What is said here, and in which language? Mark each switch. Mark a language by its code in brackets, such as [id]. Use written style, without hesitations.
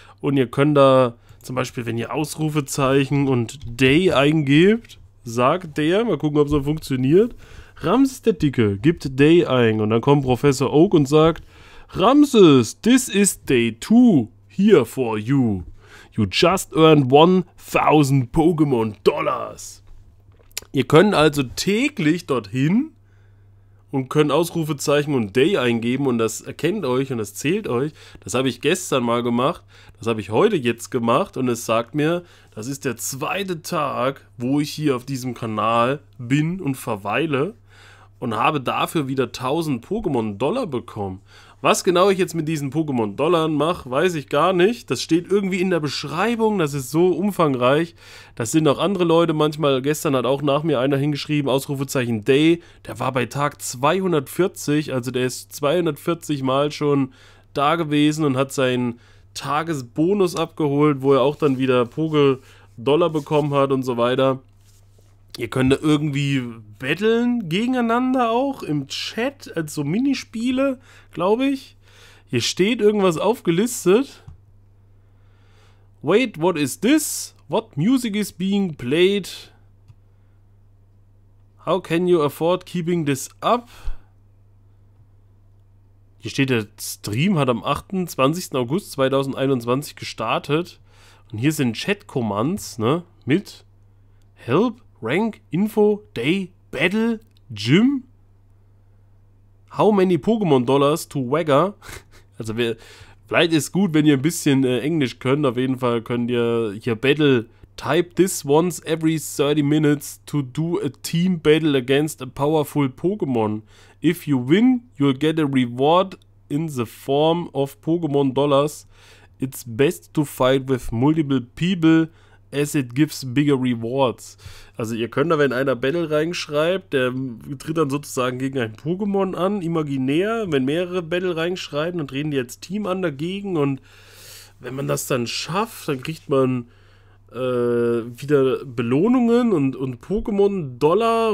[de] Und ihr könnt da zum Beispiel, wenn ihr Ausrufezeichen und Day eingebt, sagt der, mal gucken, ob es so funktioniert, Ramses der Dicke gibt Day ein. Und dann kommt Professor Oak und sagt, [en] Ramses, this is day two here for you. You just earned 1000 Pokémon Dollars. [de] Ihr könnt also täglich dorthin und könnt Ausrufezeichen und Day eingeben und das erkennt euch und das zählt euch. Das habe ich gestern mal gemacht, das habe ich heute jetzt gemacht und es sagt mir, das ist der zweite Tag, wo ich hier auf diesem Kanal bin und verweile und habe dafür wieder 1000 Pokémon Dollar bekommen. Was genau ich jetzt mit diesen Pokémon Dollarn mache, weiß ich gar nicht. Das steht irgendwie in der Beschreibung, das ist so umfangreich. Das sind auch andere Leute, manchmal, gestern hat auch nach mir einer hingeschrieben, Ausrufezeichen Day, der war bei Tag 240, also der ist 240 Mal schon da gewesen und hat seinen Tagesbonus abgeholt, wo er auch dann wieder Poké-Dollar bekommen hat und so weiter. Ihr könnt da irgendwie betteln gegeneinander auch im Chat, als so Minispiele, glaube ich. Hier steht irgendwas aufgelistet. [en] Wait, what is this? What music is being played? How can you afford keeping this up? [de] Hier steht, der Stream hat am 28. August 2021 gestartet. Und hier sind Chat-Commands, ne? Mit Help. Rank, Info, Day, Battle, Gym? [en] How many Pokémon Dollars to Wagger? [de] Also vielleicht ist gut, wenn ihr ein bisschen Englisch könnt. Auf jeden Fall könnt ihr hier Battle. [en] Type this once every 30 minutes to do a team battle against a powerful Pokémon. If you win, you'll get a reward in the form of Pokémon Dollars. It's best to fight with multiple people. As it gives bigger rewards. [de] Also ihr könnt da, wenn einer Battle reinschreibt, der tritt dann sozusagen gegen ein Pokémon an, imaginär. Wenn mehrere Battle reinschreiben, dann treten die als Team an dagegen. Und wenn man das dann schafft, dann kriegt man wieder Belohnungen und Pokémon-Dollar.